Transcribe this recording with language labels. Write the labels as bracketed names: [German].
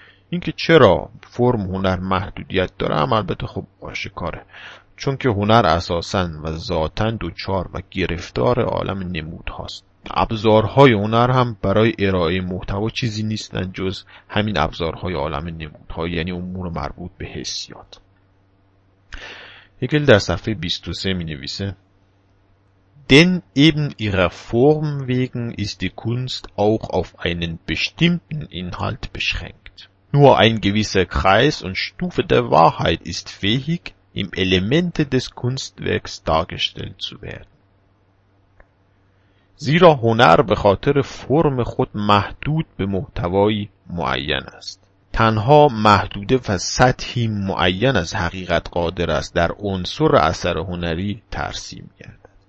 [Persian] اینکه چرا فرم هنر محدودیت داره هم البته خب آشکاره، چون که هنر اساساً و ذاتاً دوچار و گرفتار عالم نمود هاست. ابزارهای هنر هم برای ارائه محتوا چیزی نیستن جز همین ابزارهای عالم نمودها، یعنی امور مربوط به حسیات. هگل در صفحه 23 می نویسه: [German] Denn eben ihrer Form wegen ist die Kunst auch auf einen bestimmten Inhalt beschränkt. Nur ein gewisser Kreis und Stufe der Wahrheit ist fähig, im Elemente des Kunstwerks dargestellt zu werden. [Persian] زیرا هنر به خاطر فرم خود محدود به محتوای معین است. تنها محدوده و سطحی معین از حقیقت قادر است در عنصر اثر هنری ترسیم گردد.